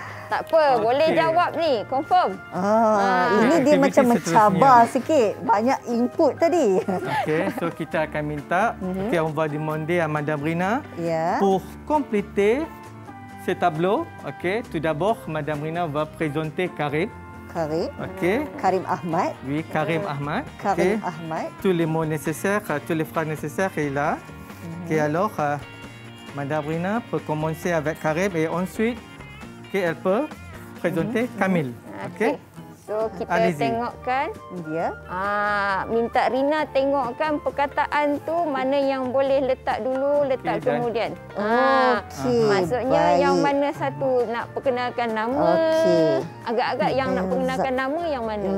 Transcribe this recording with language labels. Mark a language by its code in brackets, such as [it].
[ms] Tak apa, boleh jawab ni, confirm. Ini dia macam mencabar sikit. Banyak input tadi. Okey, so kita akan minta [fr] on va demander à madame Rina pour compléter ce tableau. Okey, tout d'abord madame Rina va présenter Karim. Karim Ahmad. Oui, Karim Ahmad. Tous les mots nécessaires, tous les phrases nécessaires il a. Et alors madame Rina peut commencer avec Karim et ensuite okay, elle peut présenter Camille. [ms] Kita tengokkan dia. Minta Rina tengokkan perkataan tu mana yang boleh letak dulu, letak kemudian. Maksudnya yang mana satu nak perkenalkan nama? Agak-agak yang nak perkenalkan nama yang mana?